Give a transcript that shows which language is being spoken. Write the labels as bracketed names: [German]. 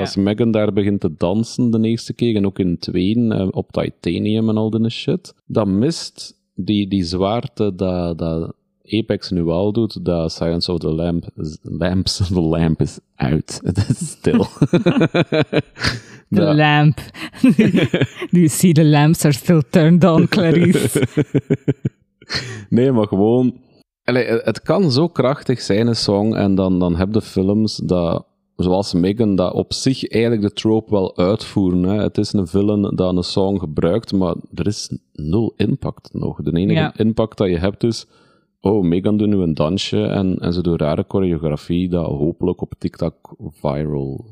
[Dutch] Als Megan daar begint te dansen de eerste keer, en ook in twee op Titanium en al die shit, dan mist die zwaarte dat Apex nu al doet, dat Silence of the Lambs, [English] the lamp [Dutch] is uit. Het is stil. [English] The lamp. Do you see the lamps are still turned on, Clarice? [Dutch] Nee, maar gewoon... Allee, het kan zo krachtig zijn, een song, en dan heb je films dat, zoals Megan, dat op zich eigenlijk de trope wel uitvoeren. Hè. Het is een villain dat een song gebruikt, maar er is nul impact nog. De enige impact dat je hebt is... Oh, Megan doet nu een dansje en ze doet rare choreografie dat hopelijk op TikTok viral...